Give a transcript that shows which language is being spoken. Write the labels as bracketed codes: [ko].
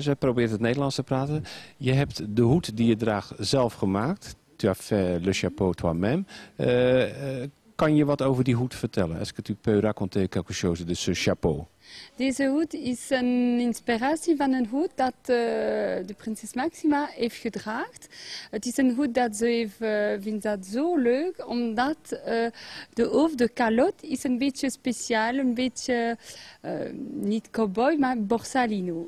[nl] Ze probeert het Nederlands te praten. Je hebt de hoed die je draagt zelf gemaakt. [fr] Tu as fait le chapeau toi-même. [nl] Kan je wat over die hoed vertellen? [fr] Est-ce que tu peux raconter quelque chose de ce chapeau? [nl] Deze hoed is een inspiratie van een hoed dat de prinses Maxima heeft gedraagd. Het is een hoed dat ze vindt dat zo leuk, omdat de hoofd, de calotte, is een beetje speciaal, een beetje, niet cowboy, maar borsalino.